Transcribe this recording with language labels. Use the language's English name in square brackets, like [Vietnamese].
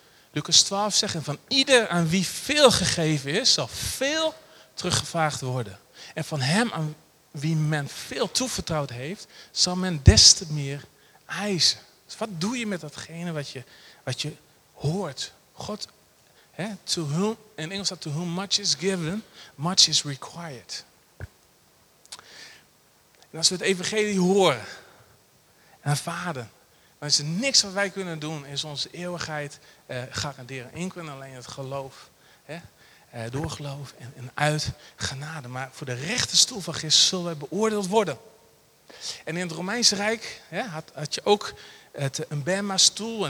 [Dutch] Lucas 12 zegt, en van ieder aan wie veel gegeven is, zal veel teruggevraagd worden. En van hem aan, wie men veel toevertrouwd heeft, zal men des te meer eisen. Dus wat doe je met datgene wat je hoort? [English] God, hè, to whom, [Dutch] in Engels staat, [English] to whom much is given, much is required. [Dutch] En als we het evangelie horen en ervaren, dan is er niks wat wij kunnen doen, is onze eeuwigheid garanderen. Enkel en alleen het geloof. Hè? Door geloof en uit genade. Maar voor de rechterstoel van Christus zullen wij beoordeeld worden. En in het Romeinse Rijk had je ook een bema-stoel.